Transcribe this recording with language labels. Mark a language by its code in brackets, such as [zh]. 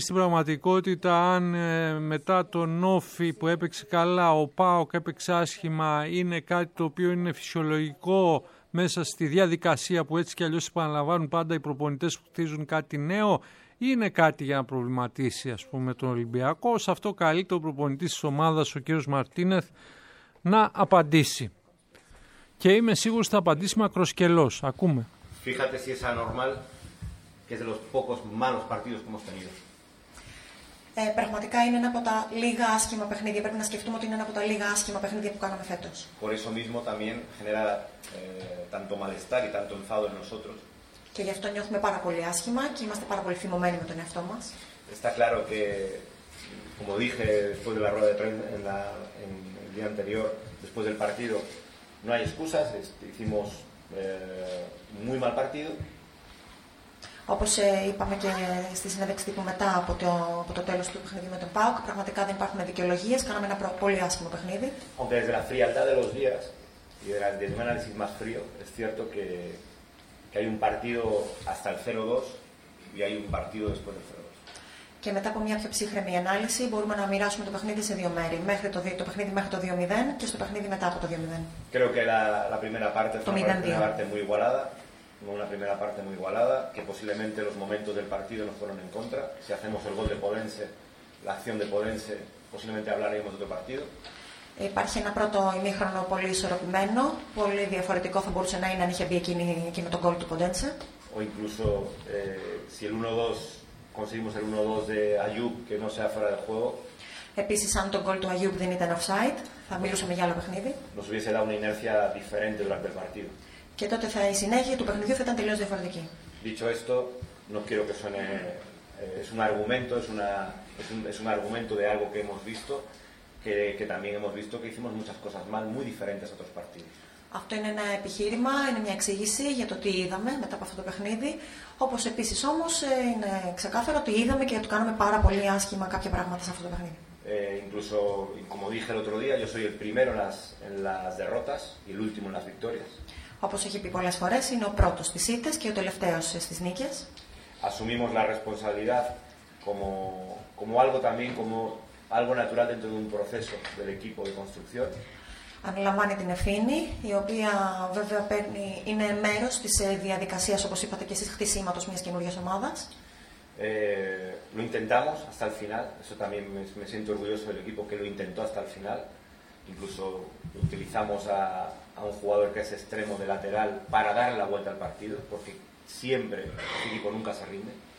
[el] Στην πραγματικότητα, αν μετά τον Όφη που έπαιξε καλά, ο ΠΑΟΚ έπαιξε άσχημα, είναι κάτι το οποίο είναι φυσιολογικό μέσα στη διαδικασία που έτσι κι αλλιώς επαναλαμβάνουν πάντα οι προπονητές που χτίζουν κάτι νέο, ή είναι κάτι για να προβληματίσει, ας πούμε, τον Ολυμπιακό. Σε αυτό καλείται ο προπονητής της ομάδας, ο κ. Μαρτίνεθ, να απαντήσει. Και είμαι σίγουρος ότι θα απαντήσει μακροσκελός. Ακούμε. [es] Fíjate si es anormal que es de los pocos malos partidos que hemos tenido. [el] Πραγματικά είναι ένα από τα λίγα άσχημα παιχνίδια. Πρέπει να σκεφτούμε ότι είναι ένα από τα λίγα άσχημα παιχνίδια που κάναμε φέτος. [es] Por eso mismo también genera tanto malestar y tanto enfado en nosotros. [el] Και γι' αυτό νιώθουμε πάρα πολύ άσχημα και είμαστε πάρα πολύ θυμωμένοι με τον εαυτό μας. [es] Está claro que, como dije después de la rueda de prensa en el día anterior, después del partido, no hay excusas, hicimos muy mal partido. [el] Όπως είπαμε και στη συνέντευξη τύπου μετά από το τέλος του παιχνιδιού με τον ΠΑΟΚ, πραγματικά δεν υπάρχουν δικαιολογίες, κάναμε ένα πολύ άσχημο παιχνίδι. [es] Aunque desde la frialdad de los días y de la análisis más frío, es cierto que, que hay un partido hasta el 0-2 y hay un partido después del 0-2. [el] Και μετά από μια πιο ψύχρεμη ανάλυση μπορούμε να μοιράσουμε το παιχνίδι σε δύο μέρη. Μέχρι το παιχνίδι μέχρι το 2-0 και στο παιχνίδι μετά από το 2-0. [es] Creo que la primera parte fue una parte muy igualada. Una primera parte muy igualada, que posiblemente los momentos del partido nos fueron en contra. Si hacemos el gol de Podense, la acción de Podense, posiblemente hablaríamos de otro partido. [el] Υπάρχει ένα πρώτο ημίχρονο πολύ ισορροπημένο, πολύ διαφορετικό θα μπορούσε να είναι αν είχε μπει εκείνη με τον γκολ του Podense. [es] O incluso si el 1-2 conseguimos el 1-2 de Ayub, que no sea fuera del juego. [el] Επίσης, αν τον γκολ του Ayub δεν ήταν offside, θα μιλούσαμε για άλλο παιχνίδι. [es] Nos hubiese dado una inercia diferente durante el partido. [el] Και τότε θα η συνέχεια του παιχνιδιού θα ήταν τελείως διαφορετική. [es] Dicho esto, no quiero que suene. Es un argumento, es un argumento de algo que hemos visto, que también hemos visto que hicimos muchas cosas mal, muy diferentes a otros partidos. [el] Αυτό είναι ένα επιχείρημα, είναι μια εξήγηση για το τι είδαμε μετά από αυτό το παιχνίδι. Όπως επίσης όμως είναι ξεκάθαρο ότι είδαμε και το κάναμε πάρα πολύ άσχημα κάποια πράγματα σε αυτό το παιχνίδι. [es] Incluso, como dije el otro día, yo soy el primero en las derrotas y el último en las victorias. [el] Όπως έχει πει πολλές φορές, είναι ο πρώτος στις ήττες και ο τελευταίος στις νίκες. [es] Asumimos la responsabilidad como algo también, como algo natural dentro de un proceso del equipo de construcción. [el] Αναλαμβάνει την ευθύνη, η οποία βέβαια παίρνει, είναι μέρος της διαδικασίας, όπως είπατε και εσείς, χτισήματος μιας καινούργιας ομάδας. [es] Lo intentamos hasta el final. Eso también me siento orgulloso del equipo que lo intentó hasta el final. Incluso utilizamos a un jugador que es extremo de lateral para darle la vuelta al partido, porque siempre el equipo nunca se rinde.